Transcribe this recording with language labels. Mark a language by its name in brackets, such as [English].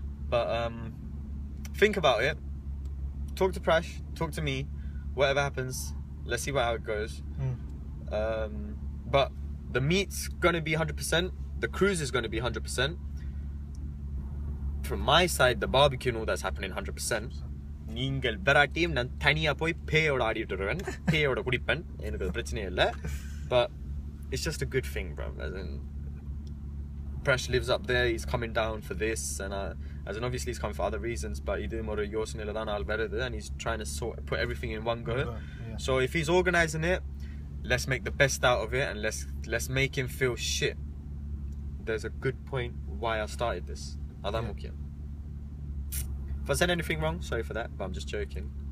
[English] But think about it. Talk to Prash, talk to me. Whatever happens, let's see how it goes. Mm. But the meet's going to be 100%. The cruise is going to be 100%. From my side, the barbecue and all that's happening 100%. [Tamil] நீங்கள் வேற team நான் தனியா போய் பேயோட ஆடிட்டு வருவேன், பேயோட குடிப்பேன், எனக்கு அது பிரச்சனை இல்லை. [English] But it's just a good thing bro. As in brush lives up there, is coming down for this and as in obviously is coming for other reasons. But [Tamil] இது ஒரு யோசனையில தான் நாள் வருது. [English] And is try put every thing in one go. So if is organising it, let's make the best out of it and let's make him feel shit. There's a good point why I started this. [Tamil] அதான் முக்கியம். [English] If I said anything wrong, sorry for that, but I'm just joking.